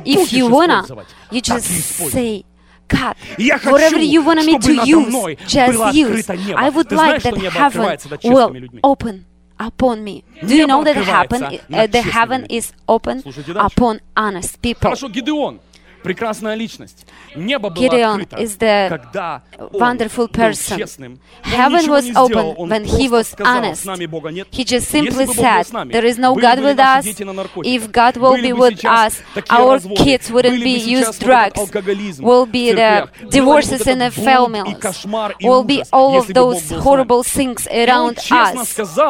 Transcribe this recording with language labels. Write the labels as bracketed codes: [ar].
[en] If you wanna, you just say, God, whatever you want me to use, just use. I would like that heaven will open upon me. Do you know that heaven is open upon honest people? [ru] Хорошо, Гедеон. прекрасная личность. Небо было открыто, когда он был честным. [en] Heaven was open when he was honest. He just simply said, there is no God with us. If God will be with us, our kids wouldn't be used drugs. Will be the divorces in the families. Will be all of those horrible things around us.